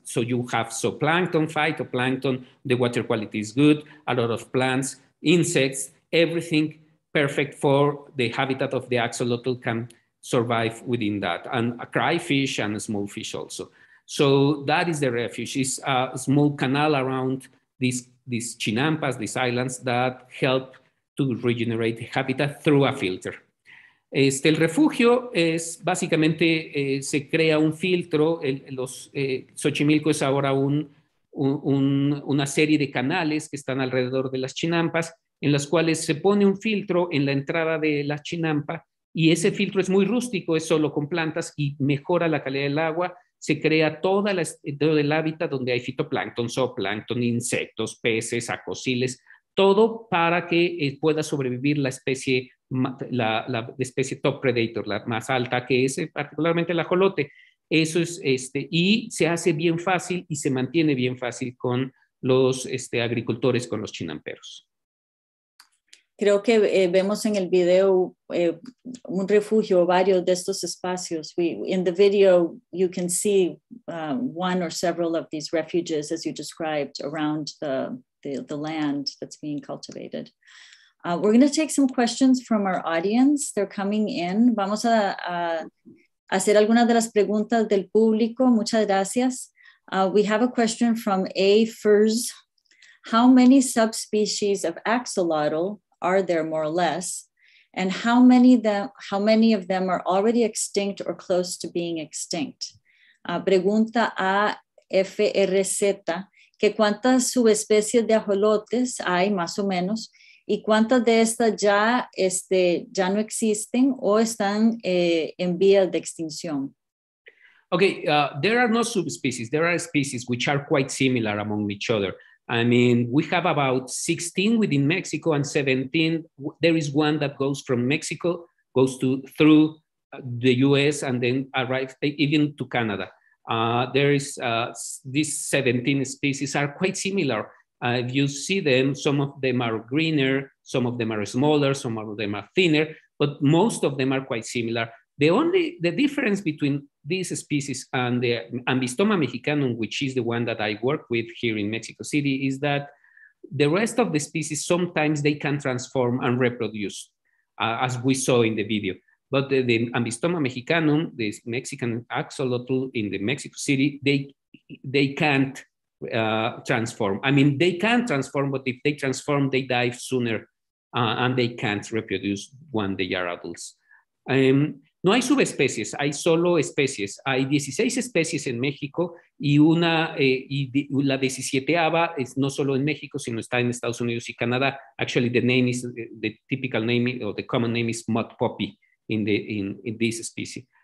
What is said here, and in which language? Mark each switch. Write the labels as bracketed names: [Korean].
[English] So you have zooplankton, phytoplankton, the water quality is good, a lot of plants, insects, everything perfect for the habitat of the axolotl can survive within that, and a crayfish and a small fish also. So that is the refuge, it's a small canal around these chinampas, these islands that help to regenerate the habitat through a filter. [Spanish] El refugio es básicamente, se crea un filtro, Xochimilco es ahora una serie de canales que están alrededor de las chinampas, en las cuales se pone un filtro en la entrada de la chinampa, y ese filtro es muy rústico, es solo con plantas, y mejora la calidad del agua, se crea todo el hábitat donde hay fitoplancton, zooplancton, insectos, peces, acosiles, todo para que pueda sobrevivir la especie la especie [English] top predator, [Spanish] la más alta que es particularmente el ajolote. Eso es y se hace bien fácil y se mantiene bien fácil con los agricultores, con los chinamperos. Creo que vemos en el video un refugio o varios de estos espacios. [English] In the video, you can see one or several of these refuges, as you described, around the land that's being cultivated. We're going to take some questions from our audience. They're coming in. [Spanish] Vamos a hacer algunas de las preguntas del público. Muchas gracias. [English] We have a question from A. Furz. How many subspecies of axolotl are there, more or less? And how many of them are already extinct or close to being extinct? [Spanish] Pregunta A. Furz. ¿Qué cuántas subespecies de ajolotes hay, más o menos? ¿Y cuántas de estas ya, ya no existen o están en vía de extinción? [English] Okay, there are no subspecies. There are species which are quite similar among each other. I mean, we have about 16 within Mexico and 17. There is one that goes from Mexico, goes through the US and then arrives even to Canada. There is these 17 species are quite similar. If you see them, some of them are greener, some of them are smaller, some of them are thinner, but most of them are quite similar. The difference between these species and the Ambystoma mexicanum, which is the one that I work with here in Mexico City, is that the rest of the species, sometimes they can transform and reproduce, as we saw in the video. But the Ambystoma mexicanum, this Mexican axolotl in the Mexico City, they can't transform. I mean, they can transform, but if they transform, they die sooner and they can't reproduce when they are adults. [Spanish] No hay subespecies, hay solo especies. Hay 16 especies en México y una la 17ava es no solo en México, sino está en Estados Unidos y Canadá. [English] Actually, the name is the typical name or the common name is mud poppy in this species.